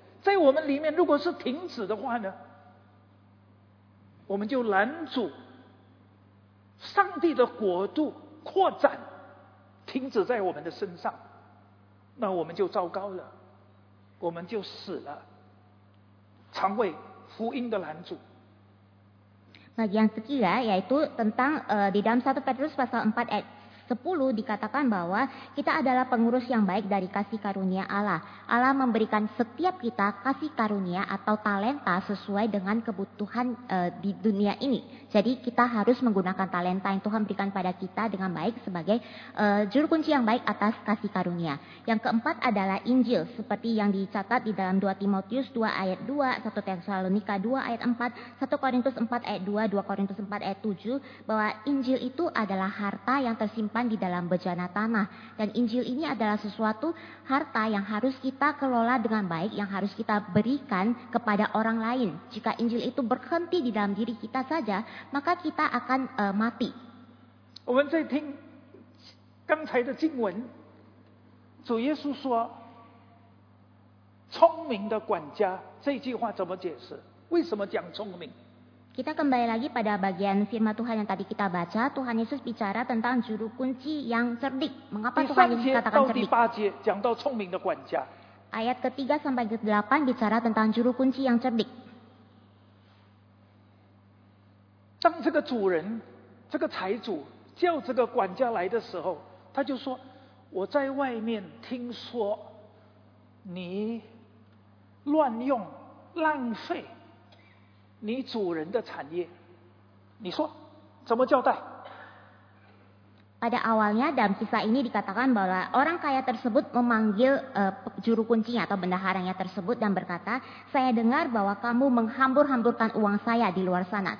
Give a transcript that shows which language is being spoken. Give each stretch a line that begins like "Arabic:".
Chinese: 在我们里面如果是停止的话呢，我们就拦阻上帝的国度扩展停止在我们的身上，那我们就糟糕了，我们就死了，成为福音的拦阻。
Indonesian: Nah, yang ketiga yaitu tentang di dalam 1 Petrus pasal 4 ayat 10 dikatakan bahwa kita adalah pengurus yang baik dari kasih karunia Allah. Allah memberikan setiap kita kasih karunia atau talenta sesuai dengan kebutuhan di dunia ini. Jadi kita harus menggunakan talenta yang Tuhan berikan pada kita dengan baik sebagai juru kunci yang baik atas kasih karunia. Yang keempat adalah Injil, seperti yang dicatat di dalam 2 Timotius 2 ayat 2, 1 Tesalonika 2 ayat 4, 1 Korintus 4 ayat 2, 2 Korintus 4 ayat 7, bahwa Injil itu adalah harta yang tersimpan di dalam bejana tanah. Dan Injil ini adalah sesuatu harta yang harus kita kelola dengan baik, yang harus kita berikan kepada orang lain. Jika Injil itu berhenti di dalam diri kita saja, maka kita akan mati.
Chinese: 我们在听刚才的经文，主耶稣说聪明的管家，这句话怎么解释？为什么讲聪明？
Indonesian: Kita kembali lagi pada bagian firman Tuhan yang tadi kita baca. Tuhan Yesus bicara tentang juru kunci yang cerdik. Mengapa Tuhan Yesus katakan cerdik?
Chinese: 第三节到第八节讲到聪明的管家。
Indonesian: Ayat ketiga sampai kedelapan bicara tentang juru kunci yang cerdik。
Chinese: 当这个主人，这个财主叫这个管家来的时候，他就说：“我在外面听说你乱用、浪费你主人的产业，你说怎么交代？”
Indonesian: Pada awalnya dalam kisah ini dikatakan bahwa orang kaya tersebut memanggil juru kuncinya atau bendaharanya tersebut dan berkata, saya dengar bahwa kamu menghambur-hamburkan uang saya di luar sana.